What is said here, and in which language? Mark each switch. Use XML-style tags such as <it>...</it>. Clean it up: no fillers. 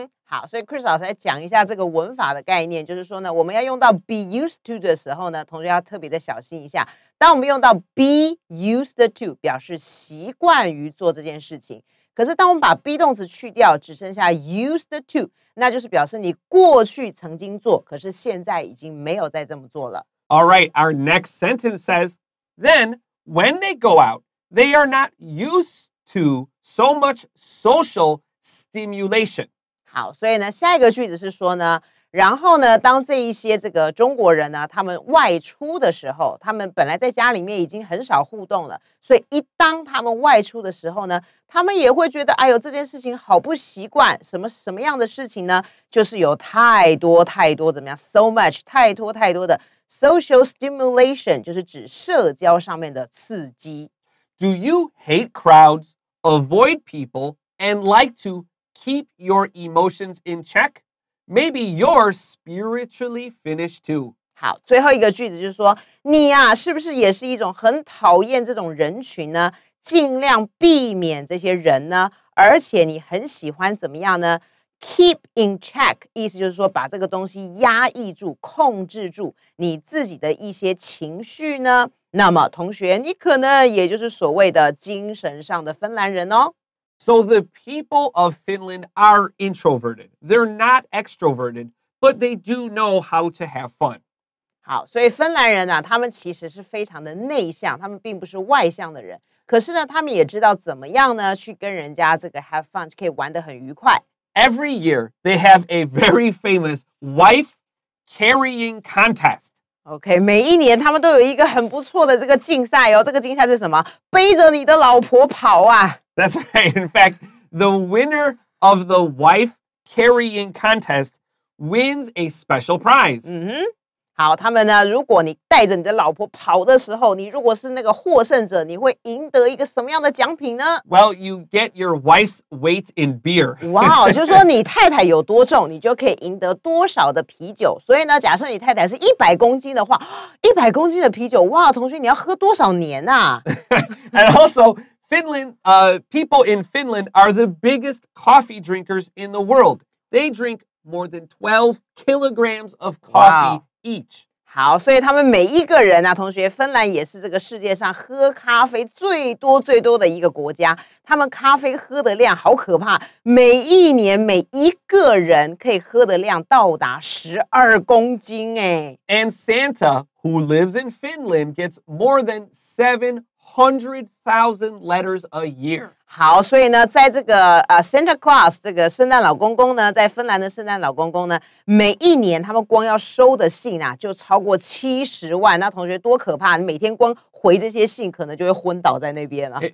<zh>好，所以 Chris 老师来讲一下这个文法的概念，就是说呢，我们要用到 be used to 的时候呢，同学要特别的小心一下。当我们用到 be used to， 表示习惯于做这件事情。可是当我们把 be 动词去掉，只剩下 used to， 那就是表示你过去曾经做，可是现在已经没有再这么做了。</zh> <en>All right, our next sentence says, then when they go out, they are not used to so much social stimulation.</en> <zh>好，所以呢，下一个句子是说呢，然后呢，当这一些这个中国人呢，他们外出的时候，他们本来在家里面已经很少互动了，所以一当他们外出的时候呢，他们也会觉得，哎呦，这件事情好不习惯，什么样的事情呢？就是有太多怎么样 ，</zh> <en>so much</en> <zh>太多的 social stimulation， 就是指社交上面的刺激。</zh> <en>Do you hate crowds, avoid people, and like to? Keep your emotions in check. Maybe you're spiritually finished too.</en> <zh>好，最后一个句子就是说，你啊，是不是也是一种很讨厌这种人群呢？尽量避免这些人呢，而且你很喜欢怎么样呢 ？Keep in check， 意思就是说把这个东西压抑住、控制住你自己的一些情绪呢。那么，同学，你可能也就是所谓的精神上的芬兰人哦。</zh> <en>So the people of Finland are introverted. They're not extroverted, but they do know how to have fun.</en> <zh>好，所以芬兰人呢、啊，他们其实是非常的内向，他们并不是外向的人。可是呢，他们也知道怎么样呢，去跟人家这个 have fun， 可以玩得很愉快。</zh> <en>Every year, they have a very famous wife carrying contest.</en> <zh>Okay, 每一年他们都有一个很不错的这个竞赛哦。这个竞赛是什么？背着你的老婆跑啊！</zh> <en>That's right. In fact, the winner of the wife carrying contest wins a special prize.</en> <zh>嗯哼，好，他们呢，如果你带着你的老婆跑的时候，你如果是那个获胜者，你会赢得一个什么样的奖品呢？</zh> <en>Well, you get your wife's weight in beer.</en> <zh>哇、wow, ，就是说你太太有多重，你就可以赢得多少的啤酒。所以呢，假设你太太是100公斤的话，100公斤的啤酒，哇，同学，你要喝多少年啊？</zh> <en>And also,Finland, people in Finland are the biggest coffee drinkers in the world. They drink more than 12 kilograms of coffee、wow. each.</en> <zh>好，所以他们每一个人啊，同学，芬兰也是这个世界上喝咖啡最多最多的一个国家。他们咖啡喝的量好可怕，每一年每一个人可以喝的量到达12公斤哎。</zh> <en>And Santa, who lives in Finland, gets more than 700,000 letters a year.</en> <zh>好，所以呢，在这个Santa Claus 这个圣诞老公公呢，在芬兰的圣诞老公公呢，每一年他们光要收的信啊，就超过70万。那同学多可怕！你每天光回这些信，可能就会昏倒在那边了。</zh>